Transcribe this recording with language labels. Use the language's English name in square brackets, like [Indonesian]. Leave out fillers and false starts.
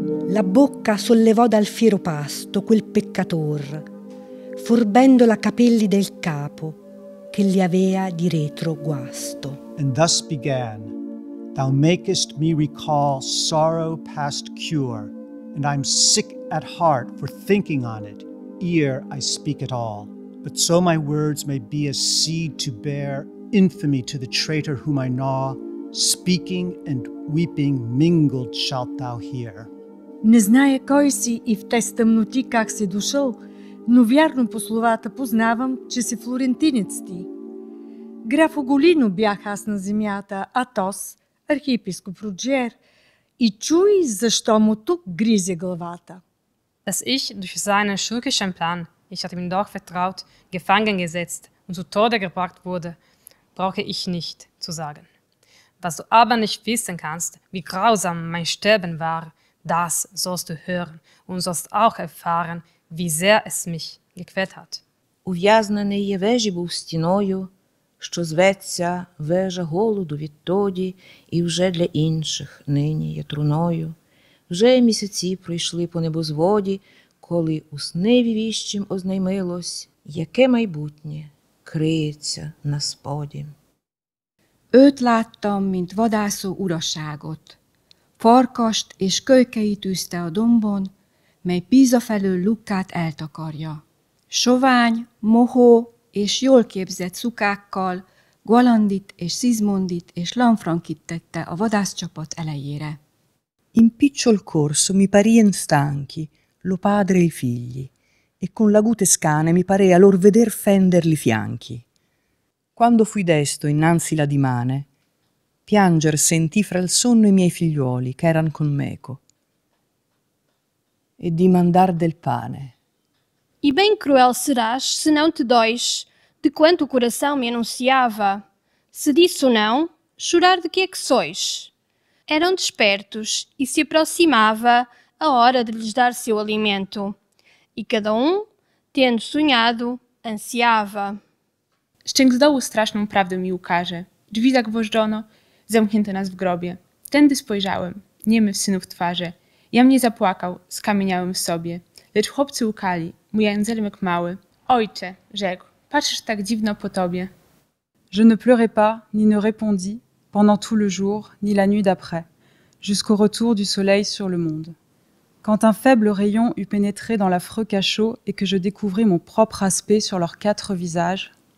[Italian] La bocca sollevò dal fiero pasto quel peccator, forbendo la capelli del capo che li avea di retro guasto. [English] And thus began, thou makest me recall sorrow past cure, and I'm sick at heart for thinking on it, ere I speak at all. But so my words may be a seed to bear infamy to the traitor whom I gnaw, speaking and weeping mingled shalt thou hear. [Bulgarian] Не знае кой си и в теста му ти как си дошъл, но вярно по словата познавам, че си флорентинец ти. Граф Оголино бях аз на земята, Атос, архиепископ Руджер, и чуй защо му тук гризе главата. [German] Dass ich durch seinen schurkischen Plan, ich hatte ihm doch vertraut, gefangen gesetzt und zu Tode gebracht wurde, brauche ich nicht zu sagen. Was du aber nicht wissen kannst, wie grausam mein Sterben war, das sollst du hören und sollst auch erfahren, wie sehr es mich gequält hat. [Ukrainian] Ув'язнений є вежі був стіною, що зветься вежа голоду відтоді, і вже для інших нині є труною. Вже місяці пройшли по небозводі, коли у сниві віщим ознаймилось, яке майбутнє криється на споді. [Hungarian] Őt láttam, mint vadászó uraságot. Farkast és kölykeit üzte a dombon, mely Píza felől Lukkát eltakarja. Sovány, mohó és jól képzett szukákkal Gualandit és Sismondit és Lanfrankit tette a vadászcsapat elejére. [Italian] In picciol corso mi parien stanchi, lo padre e i figli, e con l'agute scane mi parea lor veder fenderli fianchi. Quando fui desto innanzi la dimane, pianger sentì fra il sonno i miei figliuoli che eran con meco e dimandar del pane. [Portuguese] E bem cruel serás se não te dois de quanto o coração me anunciava. Se disso não, chorar de que é que sois? Eram despertos e se aproximava a hora de lhes dar seu alimento. E cada um, tendo sonhado, ansiava. [Polish] Szczęk zdołu straszną prawdę mi ukaże. Drzwi zagwożdżono, zamknięto nas w grobie. Tędy spojrzałem, niemy w synów twarze. Ja mnie zapłakał, skamieniałem w sobie. Lecz chłopcy ukali, mój Anzelmek mały. Ojcze, rzekł, patrzysz tak dziwno po tobie. [French] Je ne pleurai pas, ni ne répondis, pendant tout le jour, ni la nuit d'après, jusqu'au retour du soleil sur le monde. Quand un faible rayon eut pénétré dans l'affreux cachot et que je découvris mon propre aspect sur leurs quatre visages,